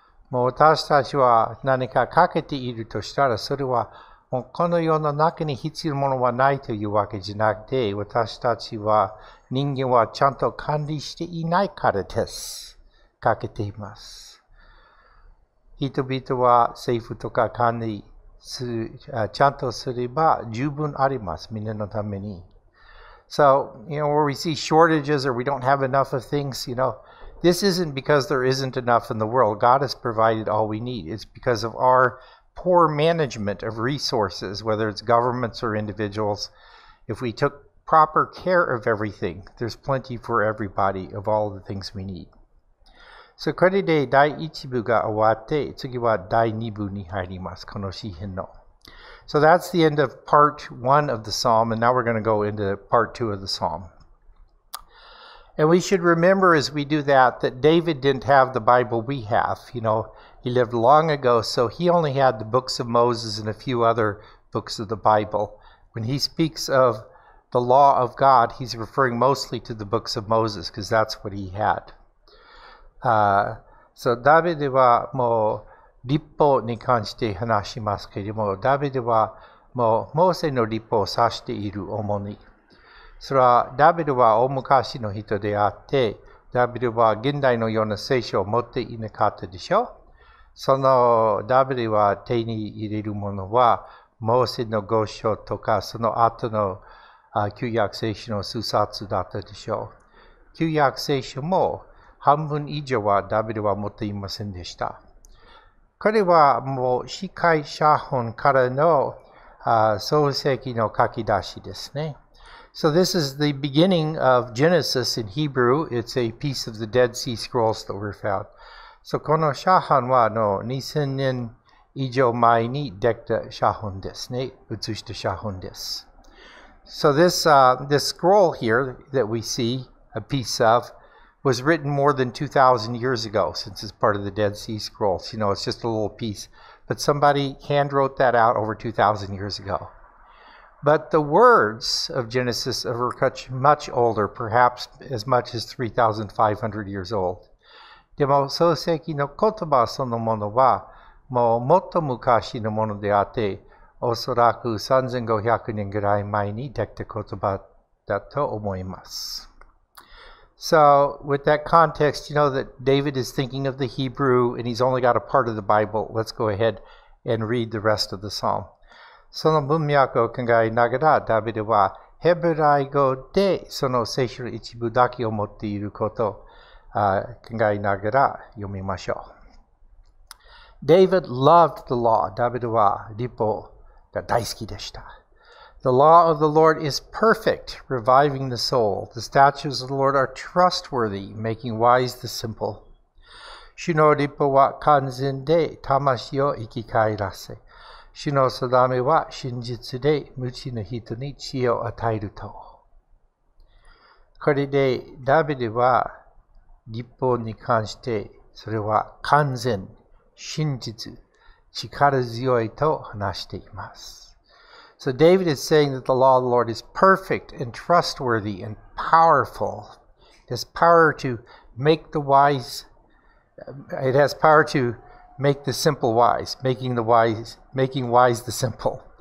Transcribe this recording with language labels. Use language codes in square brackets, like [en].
[ja] もう私たちは何か欠けているとしたら、それはもうこの世の中に必要なものはないというわけじゃなくて、私たちは人間はちゃんと管理していないからです。欠けています。人々は政府とか管理する、ちゃんとすれば十分あります。みんなのために。 [en] So, you know, where we see shortages or we don't have enough of things, you know, this isn't because there isn't enough in the world. God has provided all we need. It's because of our poor management of resources, whether it's governments or individuals. If we took proper care of everything, there's plenty for everybody of all the things we need. [ja] So, これで第一部が終わって、次は第二部に入ります。この詩編の。 [en] So, that's the end of part one of the psalm, and now we're going to go into part two of the psalm. And we should remember as we do that, that David didn't have the Bible we have. You know, he lived long ago, so he only had the books of Moses and a few other books of the Bible. When he speaks of the law of God, he's referring mostly to the books of Moses, because that's what he had. [ja] So, ダビデはもう律法に関して話しますけれども、ダビデはもうモーセの律法を指している主に。それはダビデは大昔の人であって、ダビデは現代のような聖書を持っていなかったでしょ。そのダビデは手に入れるものは、モーセの御書とかその後の旧約聖書の数冊だったでしょう。旧約聖書も半分以上はダビデは持っていませんでした。彼はもう司会写本からの創世記の書き出しですね。 [en] So this is the beginning of Genesis in Hebrew. It's a piece of the Dead Sea Scrolls that were found. [ja] So この写本は2000年以上前にできた写本ですね。写した写本です。 [en] So this scroll here that we see a piece of,was written more than 2,000 years ago, since it's part of the Dead Sea Scrolls. You know, it's just a little piece. But somebody hand wrote that out over 2,000 years ago. But the words of Genesis are much older, perhaps as much as 3,500 years old. [ja] でも創世記の言葉そのものはもうもっと昔のものであって、おそらく3,500年ぐらい前にできた言葉だと思います。 [en] So, with that context, you know that David is thinking of the Hebrew, and he's only got a part of the Bible. Let's go ahead and read the rest of the psalm. [ja] その文脈を考えながら、ダビデはヘブライ語でその聖書の一部だけを持っていることを考えながら読みましょう。 [en] David loved the law. [ja] ダビデは律法が大好きでした。 [en] The law of the Lord is perfect, reviving the soul. The statutes of the Lord are trustworthy, making wise the simple. [ja] 主の律法は完全で魂を生き返らせ。主の定めは真実で無知の人に知恵を与えると。これでダビデは律法に関してそれは完全、真実、力強いと話しています。 [en] So David is saying that the law of the Lord is perfect and trustworthy and powerful. It has power to make the wise, it has power to make the simple wise, making wise the simple.